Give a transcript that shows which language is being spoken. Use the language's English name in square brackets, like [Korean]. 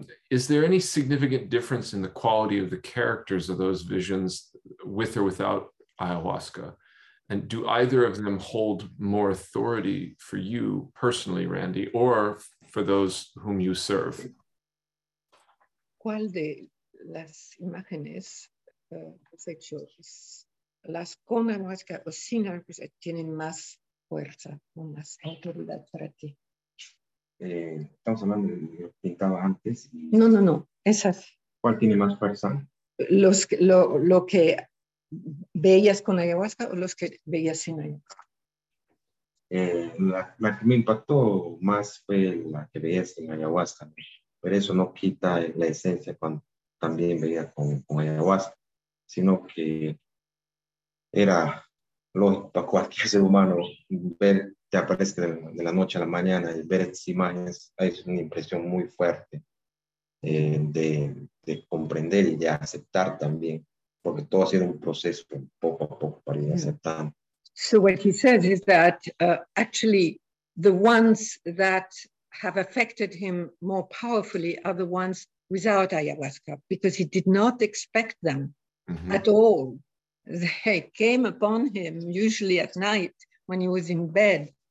[English] Is there any significant difference in the quality of the characters of those visions with or without ayahuasca? And do either of them hold more authority for you personally, Randy, or for those whom you serve? [Spanish] ¿Cuál de las imágenes hechos, las con ayahuasca o sin ayahuasca, tienen más fuerza o más autoridad para ti? Estamos hablando de lo que pintaba antes. No, esas. ¿Cuál tiene más fuerza? Lo que veías con ayahuasca o los que veías sin ayahuasca. La que me impactó más fue la que veías sin ayahuasca, pero eso no quita la esencia cuando también veía con ayahuasca, sino que era lógico a cualquier ser humano ver. Te aparece de la noche a la mañana y ver estas imágenes es una impresión muy fuerte de comprender y de aceptar también, porque todo ha sido un proceso poco a poco para ir aceptando. [English] So what he says is that actually the ones that have affected him more powerfully are the ones without ayahuasca, because he did not expect them mm-hmm. at all. They came upon him usually at night when he was in bed.